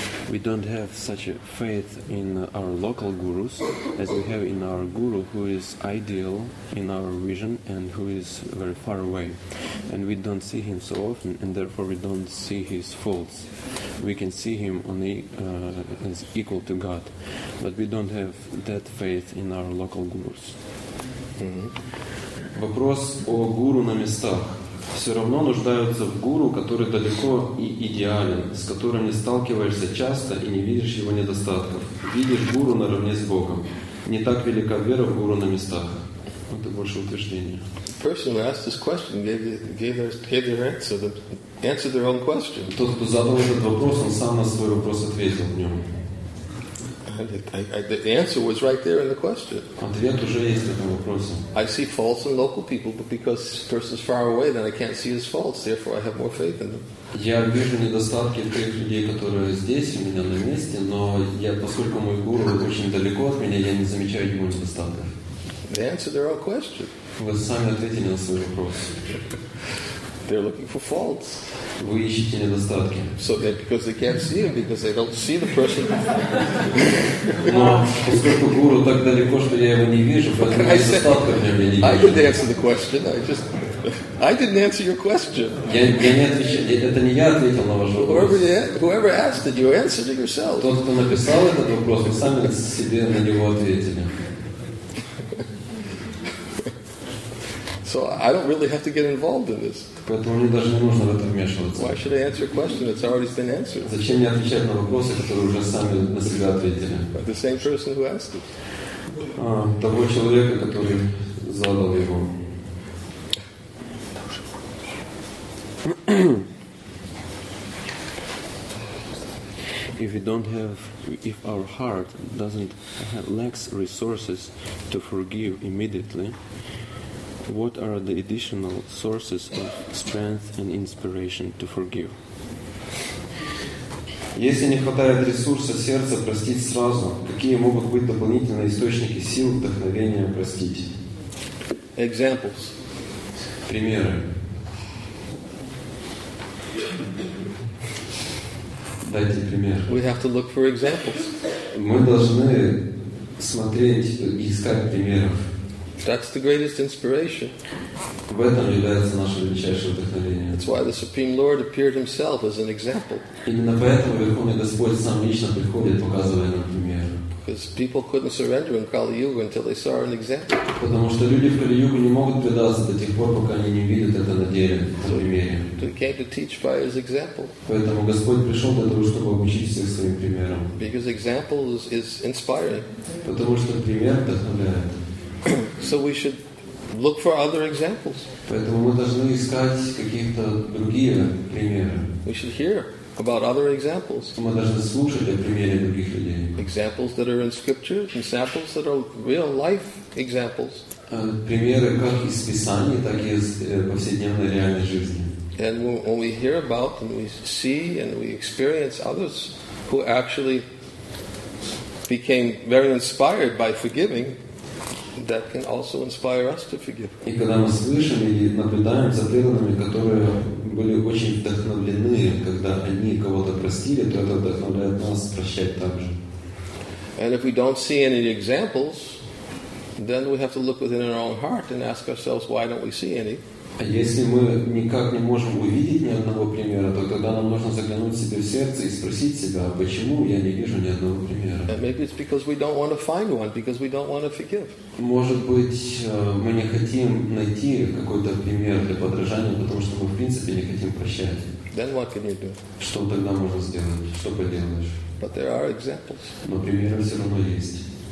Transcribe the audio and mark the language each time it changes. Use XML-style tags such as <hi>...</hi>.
<en>We don't have such a faith in our local gurus as we have in our guru who is ideal in our vision and who is very far away. And we don't see him so often, and therefore we don't see his faults. We can see him only as equal to God, but we don't have that faith in our local gurus. Mm-hmm.</en> <ru>Вопрос о гуру на местах. Все равно нуждаются в гуру, который далеко и идеален, с которым не сталкиваешься часто и не видишь его недостатков. Видишь гуру наравне с Богом. Не так велика вера в гуру на местах. Это больше утверждение.</ru> <en>Person who asked this question gave their answer, answered their own question.</en> <ru>Тот, кто задал этот вопрос, он сам на свой вопрос ответил в нем.</ru> <en>The answer was right there in the question.</en> <ru>Ответ уже есть в этом вопросе.</ru> <en>I see faults in local people, but because this person is far away, then I can't see his faults. Therefore, I have more faith in them.</en> <ru>Я вижу недостатки в тех людей, которые здесь у меня на месте, но я, поскольку мой гуру очень далеко от меня, я не замечаю его недостатков.</ru> <en>They answered their own question.</en> <ru>Вы сами ответили на свой вопрос.</ru> <en>They're looking for faults.</en> <ru>Вы ищете недостатки.</ru> <en>So that because they can't see him, because they don't see the person.</en> <ru>Но поскольку гуру так далеко, что я его не вижу, поэтому недостатков я не вижу.</ru> <en>I could answer the question. I didn't answer your question.</en> <ru>Я не отвечал. Это не я ответил на ваш вопрос.</ru> <en>Whoever asked it, you answered it yourself.</en> <ru>Тот, кто написал этот вопрос, вы сами себе на него ответили.</ru> <en>So I don't really have to get involved in this.</en> <ru>Поэтому мне даже не нужно в это вмешиваться.</ru> <en>Why should I answer a question that's already been answered?</en> <ru>Зачем мне отвечать на вопросы, которые уже сами на себя ответили?</ru> <en>By the same person who asked it.</en> <ru>Того человека, который задал его.</ru> <en>If we don't have, if our heart doesn't lacks resources to forgive immediately, what are the additional sources of strength and inspiration to forgive?</en> <ru>Если не хватает ресурса сердца простить сразу, какие могут быть дополнительные источники сил и вдохновения простить?</ru> <en>Examples.</en> <ru>Примеры. Дайте пример.</ru> <en>We have to look for examples.</en> <ru>Мы должны смотреть и искать примеров.</ru> <en>That's the greatest inspiration.</en> <ru>В этом является наше величайшее вдохновение.</ru> <en>That's why the Supreme Lord appeared himself as an example.</en> <ru>Именно поэтому Верховный Господь сам лично приходит, показывая нам пример.</ru> <en>because people couldn't surrender in Kali Yuga until they saw an example.</en> <ru>Потому что люди в Кали Юге не могут предаться до тех пор, пока они не видят это на деле, на примере.</ru> <en>So he came to teach by his example.</en> <ru>Поэтому Господь пришел для того, чтобы обучить всех своим примером.</ru> <en>Because example is inspiring.</en> <ru>Потому что пример вдохновляет.</ru> <en>So we should look for other examples.</en> <ru>Поэтому мы должны искать какие-то другие примеры.</ru> <en>We should hear about other examples.</en> <ru>Мы должны слушать о примере других людей.</ru> <en>Examples that are in scripture, examples that are real life examples.</en> <ru>Примеры как из Писания, так и из повседневной реальной жизни.</ru> <en>And when we hear about and we see and we experience others who actually became very inspired by forgiving, that can also inspire us to forgive.</en> <ru>И когда мы слышим или наблюдаем за преданными, которые были очень вдохновлены, когда они кого-то простили, то это вдохновляет нас прощать также.</ru> <en>And if we don't see any examples, then we have to look within our own heart and ask ourselves, why don't we see any?</en> <ru>А если мы никак не можем увидеть ни одного примера, то тогда нам нужно заглянуть себе в сердце и спросить себя, почему я не вижу ни одного примера.</ru> <en>And maybe it's because we don't want to find one, because we don't want to forgive.</en> <ru>Может быть, мы не хотим найти какой-то пример для подражания, потому что мы в принципе не хотим прощать.</ru> <en>Then what can you do?</en> <ru>Что тогда можно сделать? Что поделаешь?</ru> <en>But there are examples.</en> <ru>Но примеры все равно есть.</ru>